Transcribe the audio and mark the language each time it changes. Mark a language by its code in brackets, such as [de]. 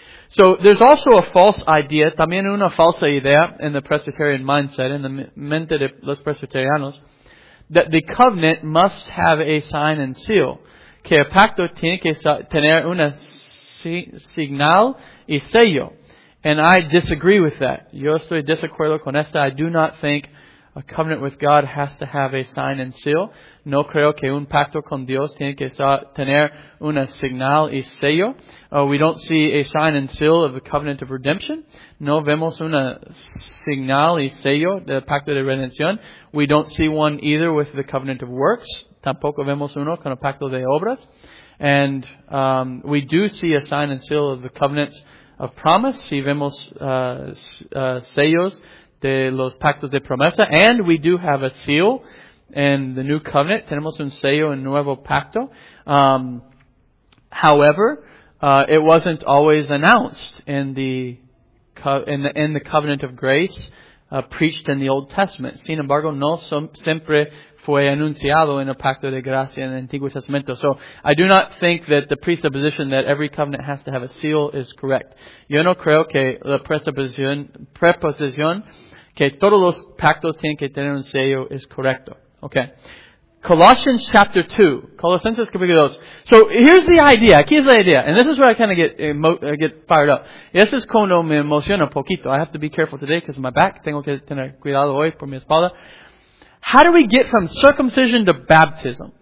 [en] So, there's also a false idea, [es] también una falsa idea [en] in the Presbyterian mindset, in the [es] mente de los presbiterianos, [en] that the covenant must have a sign and seal. [es] Que el pacto tiene que tener una señal y sello. [en] And I disagree with that. [es] Yo estoy desacuerdo con esta. [en] I do not think a covenant with God has to have a sign and seal. [es] No creo que un pacto con Dios tiene que tener una señal y sello. [en] We don't see a sign and seal of the covenant of redemption. [es] No vemos una señal y sello del pacto de redención. [en] We don't see one either with the covenant of works. [es] Tampoco vemos uno con el pacto de obras. [en] And we do see a sign and seal of the covenants of promise. [es] Si vemos sellos de los pactos de promesa. [en] And we do have a seal in the new covenant. [es] Tenemos un sello en nuevo pacto. [en] However, it wasn't always announced in the covenant of grace preached in the Old Testament. [es] Sin embargo, no siempre fue anunciado en el pacto de gracia en el Antiguo Testamento. [en] So, I do not think that the presupposition that every covenant has to have a seal is correct. [es] Yo no creo que la preposición que todos los pactos tienen que tener un sello es correcto. [en] Okay. Colossians chapter 2. [es] Colossenses capítulo 2. [en] So, here's the idea. [es] Aquí es la idea. [en] And this is where I kind of get fired up. [es] Y esto es cuando me emociona un poquito. [en] I have to be careful today because of my back. [es] Tengo que tener cuidado hoy por mi espalda. [en] How do we get from circumcision to baptism?